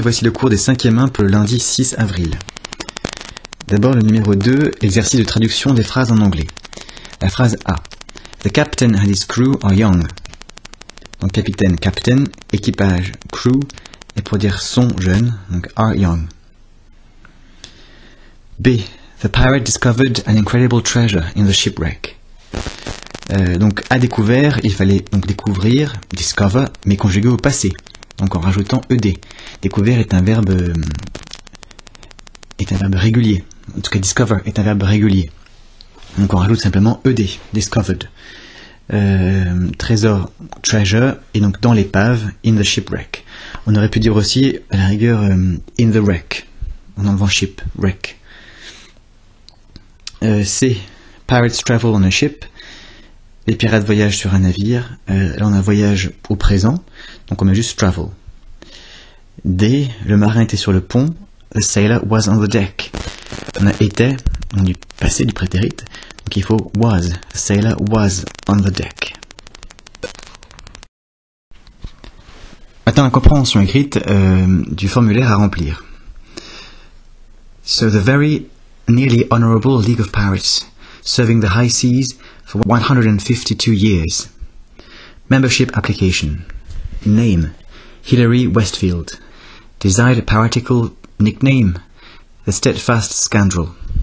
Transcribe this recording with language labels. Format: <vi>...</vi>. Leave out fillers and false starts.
<fr>Voici le cours des 5e 1 pour le lundi 6 avril. D'abord, le numéro 2, exercice de traduction des phrases en anglais. La phrase A.</fr> <en>The captain and his crew are young.</en> <fr>Donc, capitaine, captain, équipage, crew, et pour dire sont jeunes, donc are young. B.</fr> <en>The pirate discovered an incredible treasure in the shipwreck.</en> <fr>Donc, a découvert, il fallait donc découvrir, discover, mais conjugué au passé. Donc en rajoutant ED. Découvert est un verbe régulier. En tout cas, discover est un verbe régulier. Donc on rajoute simplement ED, discovered. Trésor, treasure, et donc dans l'épave, in the shipwreck. On aurait pu dire aussi, à la rigueur, in the wreck. En enlevant ship, wreck. C.</fr> <en>Pirates travel on a ship.</en> <fr>Les pirates voyagent sur un navire. Là, on a voyage au présent. Donc, on met juste travel. D. Le marin était sur le pont.</fr> <en>The sailor was on the deck.</en> <fr>On a était, donc du passé, du prétérit. Donc, il faut was.</fr> <en>The sailor was on the deck.</en> <fr>Maintenant, la compréhension écrite du formulaire à remplir.</fr> <en>So, the very nearly honorable League of Pirates, serving the high seas for 152 years. Membership application. Name, Hilary Westfield. Desired piratical nickname, the steadfast scoundrel.</en>